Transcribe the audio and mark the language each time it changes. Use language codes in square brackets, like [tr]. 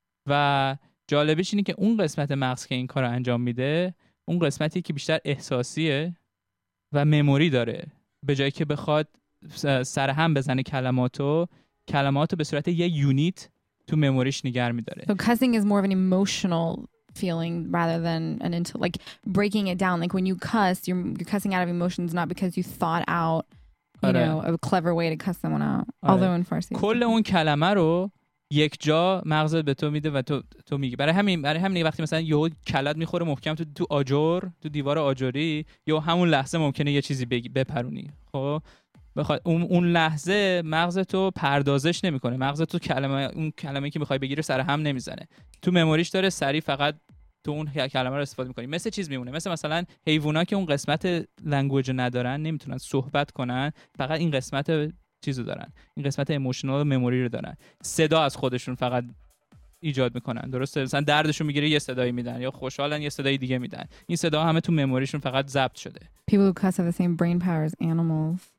[fa] و جالبش اینه که اون قسمت مغز که این کارو انجام میده، اون قسمتی که بیشتر احساسیه و مموری داره، به جایی که بخواد سر هم بزنه کلماتو به صورت یه یونیت تو مموریش نگه می‌داره. [en] So cussing is more of an emotional feeling rather than an into like breaking it down. Like when you cuss, you're cussing out of emotions, not because you thought out, you [fa] آره. [en] Know, a clever way to cuss someone out. [fa] آره. [en] Although in Farsi. [fa] کل اون کلمه رو یک جا مغزت به تو میده و تو میگی. برای همین وقتی مثلا یه کلت میخوره محکم تو آجر، تو دیوار آجری، یا همون لحظه ممکنه یه چیزی بپرونی. خب بخواد اون لحظه مغزتو پردازش نمیکنه، مغزتو اون کلمه که میخوای بگیره سر هم نمیزنه، تو مموریش داره سری فقط تو اون کلمه رو استفاده میکنی. مثل چیز میمونه، مثل مثلا حیوانا که اون قسمت لنگویج ندارن، نمیتونن صحبت کنن، فقط این قسمت چیزو دارن، این قسمت ایموشنال مموری رو دارن، صدا از خودشون فقط ایجاد میکنن، درسته؟ مثلا دردشون میگیره یه صدایی میدن، یا خوشحالن یه صدای دیگه میدن، این صدا همه تو مموریشون فقط ضبط شده. [en] People who cuss have the same brain power as animals.